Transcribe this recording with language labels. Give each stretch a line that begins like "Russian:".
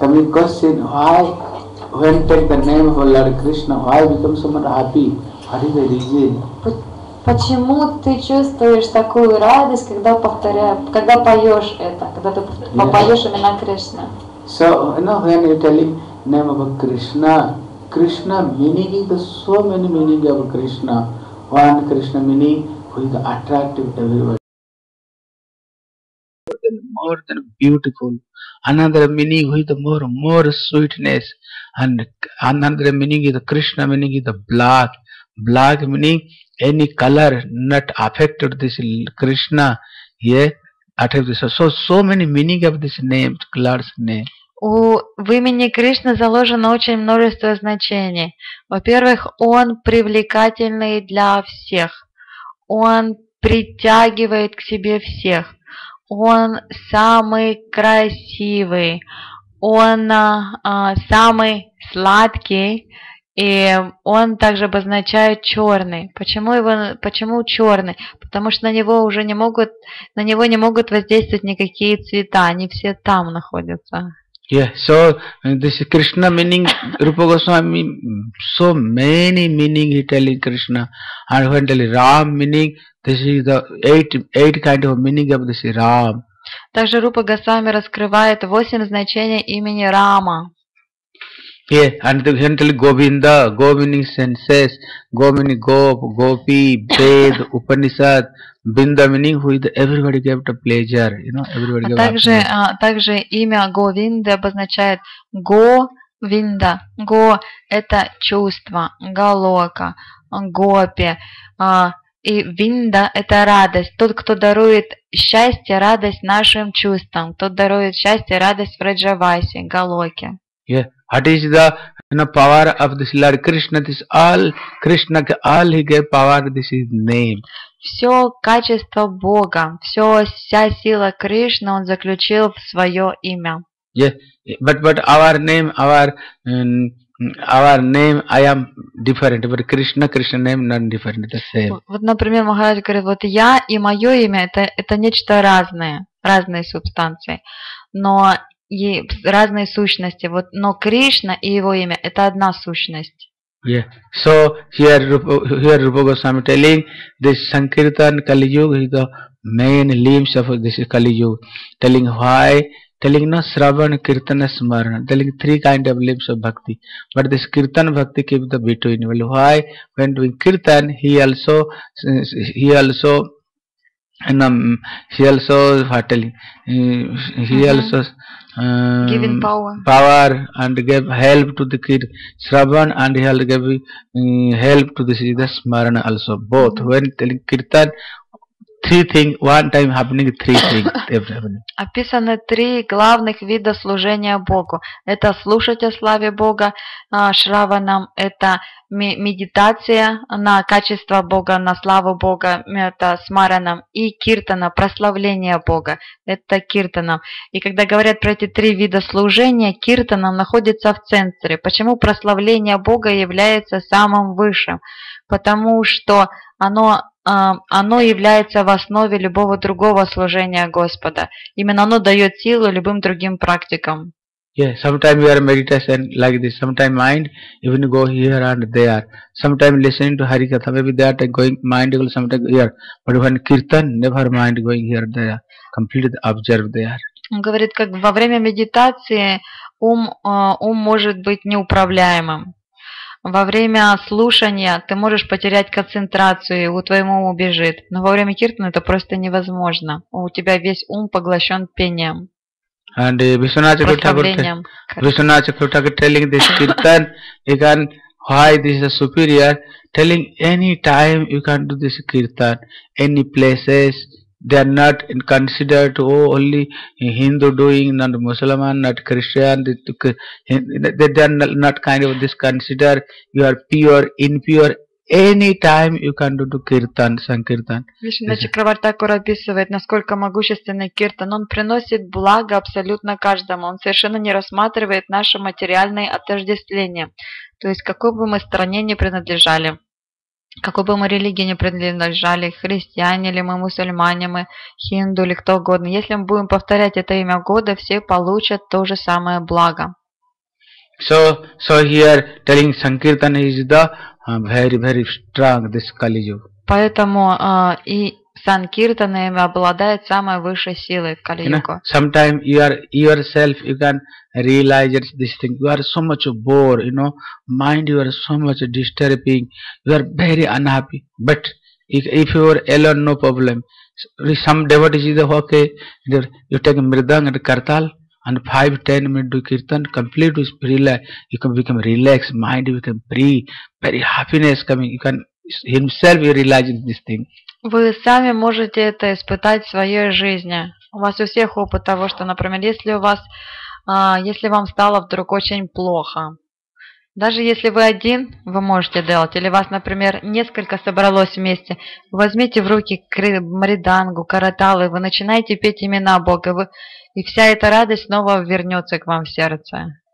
English: Question, why, when take the name of Lord Krishna, why become so much happy? What is the reason?
Russian: Почему ты чувствуешь такую радость, когда повторяешь, когда поешь это, когда ты попоешь имена Кришна?
English: So, you know, when you're telling name of Krishna, Krishna meaning is so many meaning of Krishna. One Krishna meaning who is attractive to everyone. More than beautiful, another meaning with more sweetness, and another meaning is the Krishna meaning is the black. Black meaning any color not affected this Krishna. Yeah, so many meaning of this name, Lord's name.
Russian: У в имени Кришны заложено очень множество значений. Во-первых, он привлекательный для всех. Он притягивает к себе всех. Он самый красивый, он самый сладкий, и он также обозначает черный. Почему черный? Потому что на него не могут воздействовать никакие цвета, они все там находятся.
English: Yeah, so this is Krishna meaning Rupa Goswami, so many meaning he telling Krishna, and when telling Ram meaning, this is the eight kind of meaning of this Ram.
Russian: Также Рупа Госвами раскрывает 8 значений имени Рама.
English: Yeah, and the gentle Govinda, Go meaning senses, Go meaning Gop, Gopi, Ved, Upanishad, Binda meaning who is everybody gave to pleasure, you know, everybody gave happiness.
Russian: Также имя Govinda обозначает Go, Vinda. Go – это чувство, Галока, Гопи. И Винда – это радость, тот, кто дарует счастье, радость нашим чувствам, тот дарует счастье, радость в Раджавасе, Галоке.
English: Yeah. What is the power of this Lord Krishna? This all Krishna, all he gave power. This is name.
Russian: Все качество Бога, все вся сила Кришны он заключил в свое имя.
English: Yeah, but our name, I am different. But Krishna name not different. The same.
Russian: Вот, например, Махарадж говорит, вот я и мое имя это нечто разное, разные субстанции, но и разные сущности. Вот, но Кришна и его имя – это одна сущность.
English: Yeah. So, here Rupa Goswami telling, this Sankirtan Kali Yuga is the main limbs of this Kali Yuga. Telling why? Telling no, Shravan, Kirtan, Smarana. Telling three kind of limbs of Bhakti. But this Kirtan Bhakti keeps the between. Well, why? When doing Kirtan, he also giving power and gave help to the kid Shravan, and he also gave help to the Smarana also, both. Mm-hmm. When telling Kirtan, three things, one time happening three things.
Russian: Описаны три главных вида служения Богу. Это слушать о славе Бога, шраванам, это медитация на качество Бога, на славу Бога, это смаранам, и киртана, прославление Бога, это киртанам. И когда говорят про эти три вида служения, киртана находится в центре. Почему прославление Бога является самым высшим? Потому что оно является в основе любого другого служения Господа. Именно оно дает силу любым другим практикам.
English: Yes, sometimes we are meditating like this. Sometimes mind even go here and there. Sometimes listening to Harikatha, maybe that going mind will sometimes here. But when kirtan, never mind going here and there. Completely observe there.
Russian: Он говорит, как во время медитации ум может быть неуправляемым. Во время слушания ты можешь потерять концентрацию, у твоего ума убежит. Но во время киртана это просто невозможно. У тебя весь ум поглощен пением.
English: And Vishwanath Chakravarti Thakur telling this kirtan, you can, why this is a superior, telling any time you can do this kirtan, any places, they are not considered, oh, only Hindu doing, not Muslim, not Christian, they are not kind of this consider, you are pure, impure. Any time you can do kirtan, sankirtan.
Russian: Вишна Чакраварти Такур описывает, насколько могущественный киртан. Он приносит благо абсолютно каждому. Он совершенно не рассматривает наше материальное отождествление. То есть, какой бы мы стране ни принадлежали, какой бы мы религии ни принадлежали, христиане ли мы, мусульмане мы, хинду ли кто угодно, если мы будем повторять это имя года, все получат то же самое благо.
English: So here telling sankirtan is the very, very strong this Kali Yuga.
Russian: Поэтому и санкиртана обладает самой высшей силой в Кали Юге.
English: Sometimes you are yourself, you can realize this thing. You are so much bored, you know, mind you are so much disturbing, you are very unhappy. But if you are alone, no problem. Some devotees is okay. You take mridang and kartal. And 5-10 minutes do kirtan, complete relax. You can become relaxed, mind become free, very happiness coming. You can himself realize this thing.
Russian: Вы сами можете это испытать в своей жизни. У вас у всех опыт того, что, например, если у вас, если вам стало вдруг очень плохо, даже если вы один, вы можете делать, или вас, например, несколько собралось вместе, вы возьмите в руки мридангу, караталы, вы начинаете петь имена Бога, и вся эта радость снова вернется к вам в сердце.